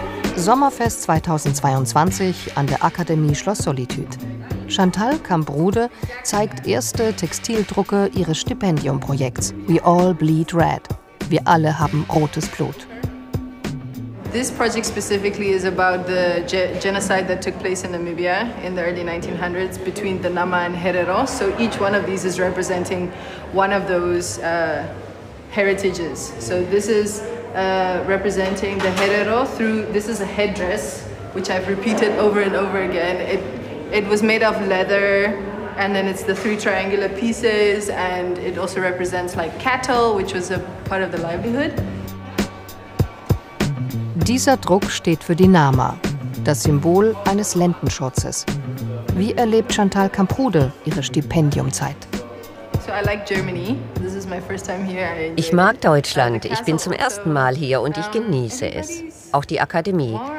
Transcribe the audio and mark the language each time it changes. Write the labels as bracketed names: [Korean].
[German] Nice. Sommerfest 2022 an der Akademie Schloss Solitude. Chantal Cambrude zeigt erste Textildrucke ihres Stipendiumprojekts We All Bleed Red. Wir alle haben rotes Blut. [English] This project specifically is about the genocide that took place in Namibia in the early 1900s between the Nama and Herero. So each one of these is representing one of those heritages. So this is representing the Herero through, this is a headdress which I've repeated over and over again. It was made of leather, and then it's the three triangular pieces, and it also represents like cattle, which was a part of the livelihood. [German] Dieser Druck steht für die Nama, das Symbol eines Lendenschurzes. Wie erlebt Chantal Cambrude ihre Stipendiumzeit? [English] So I like Germany. This is my first time here. [German] Ich mag Deutschland. Ich bin zum ersten Mal hier und ich genieße es. Auch die Akademie.